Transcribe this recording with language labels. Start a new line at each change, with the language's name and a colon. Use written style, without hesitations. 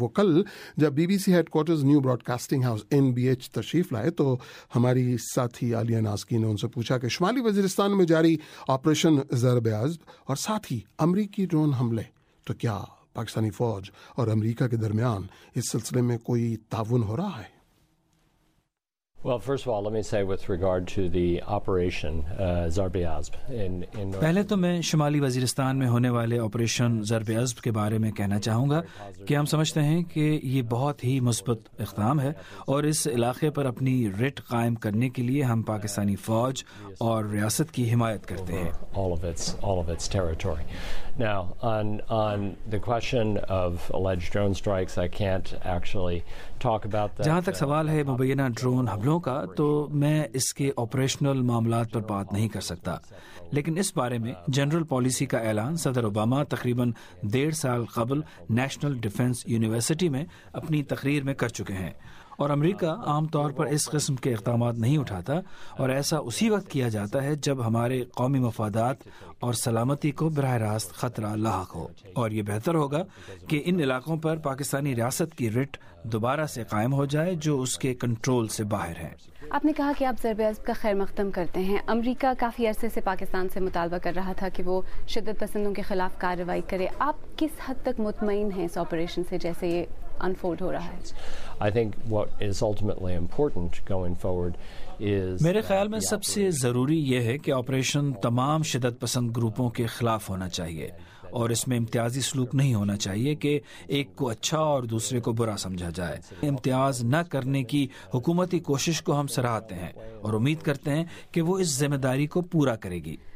Urdu: وہ کل جب be B C head quarters new Broad casting house N B H تشریف لائے تو ہماری ساتھی عالیہ نازکی نے ان سے پوچھا کہ شمالی وزیرستان میں جاری آپریشن ضرب عزم اور ساتھ ہی امریکی ڈرون حملے، تو کیا پاکستانی فوج اور امریکہ کے درمیان اس سلسلے میں کوئی تعاون ہو رہا ہے؟
English: Well, first of all, let me say with regard to the operation Zarb-e-Azb in
Urdu: پہلے تو میں شمالی وزیرستان میں ہونے والے آپریشن ضرب عزم کے بارے میں کہنا چاہوں گا کہ ہم سمجھتے ہیں کہ یہ بہت ہی مثبت اقدام ہے اور اس علاقے پر اپنی رٹ قائم کرنے کے لیے ہم پاکستانی فوج اور ریاست کی حمایت کرتے ہیں.
English: all of its territory. Now, on the question of alleged drone strikes, I can't actually talk about that.
Urdu: جہاں تک سوال ہے مبینہ ڈرون حملوں کا تو میں اس کے آپریشنل معاملات پر بات نہیں کر سکتا، لیکن اس بارے میں جنرل پالیسی کا اعلان صدر اوباما تقریباً 1.5 سال قبل نیشنل ڈیفنس یونیورسٹی میں اپنی تقریر میں کر چکے ہیں. اور امریکہ عام طور پر اس قسم کے اقدامات نہیں اٹھاتا، اور ایسا اسی وقت کیا جاتا ہے جب ہمارے قومی مفادات اور سلامتی کو براہ راست خطرہ لاحق ہو. اور یہ بہتر ہوگا کہ ان علاقوں پر پاکستانی ریاست کی رٹ دوبارہ سے قائم ہو جائے جو اس کے کنٹرول سے باہر ہے. آپ نے کہا کہ آپ ضرب عزم کا خیر مقدم کرتے ہیں. امریکہ کافی عرصے سے پاکستان سے مطالبہ کر رہا تھا کہ وہ شدت پسندوں کے خلاف کارروائی کرے. آپ کس حد تک مطمئن ہیں اس آپریشن سے جیسے یہ انفولڈ ہو رہا ہے؟
English: I think what is ultimately important going forward is
Urdu: میرے خیال میں سب سے ضروری یہ ہے کہ آپریشن تمام شدت پسند گروپوں کے خلاف ہونا چاہیے، اور اس میں امتیازی سلوک نہیں ہونا چاہیے کہ ایک کو اچھا اور دوسرے کو برا سمجھا جائے. امتیاز نہ کرنے کی حکومتی کوشش کو ہم سراہتے ہیں اور امید کرتے ہیں کہ وہ اس ذمہ داری کو پورا کرے گی.